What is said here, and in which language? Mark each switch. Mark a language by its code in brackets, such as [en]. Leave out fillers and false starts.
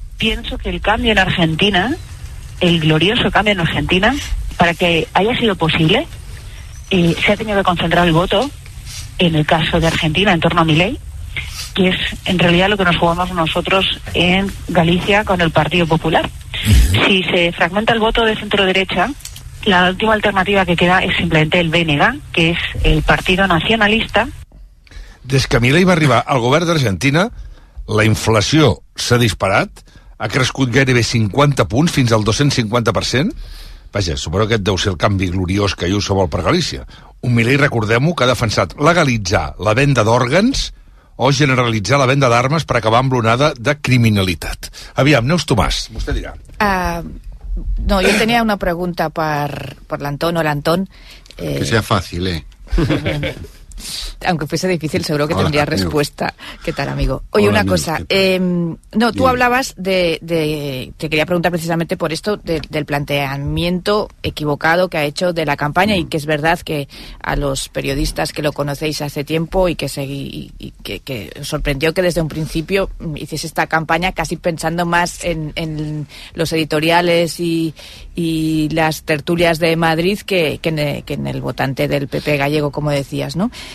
[es] Pienso que el cambio en Argentina, el glorioso cambio en Argentina, para que haya sido posible, se ha tenido que concentrar el voto, en el caso de Argentina, en torno a Milei, que es en realidad lo que nos jugamos nosotros en Galicia con el Partido Popular. Si se fragmenta el voto de centro-derecha, la última alternativa que queda es simplemente el BNG, que es el Partido Nacionalista. [ca] Des que Milei va arribar al govern d'Argentina, la inflació s'ha disparat, ha crescut gairebé 50 punts fins al 250%. Vaja, suposo que aquest deu ser el canvi gloriós que Ayuso vol per Galícia. Un Milei, recordem-ho, que ha defensat legalitzar la venda d'òrgans o generalitzar la venda d'armes per acabar amb l'onada de criminalitat. Aviam, Neus Tomàs, vostè dirà. No, jo tenia una pregunta per l'Anton o l'Anton. [es] Que sea fácil, Aunque fuese difícil, seguro que tendría respuesta. ¿Qué tal, amigo? Oye, hola, una cosa. No, tú hablabas de... Te quería preguntar precisamente por esto, del planteamiento equivocado que ha hecho de la campaña, y que es verdad que a los periodistas que lo conocéis hace tiempo y que sorprendió que desde un principio hiciese esta campaña casi pensando más en los editoriales y las tertulias de Madrid que en el votante del PP gallego, como decías, ¿no?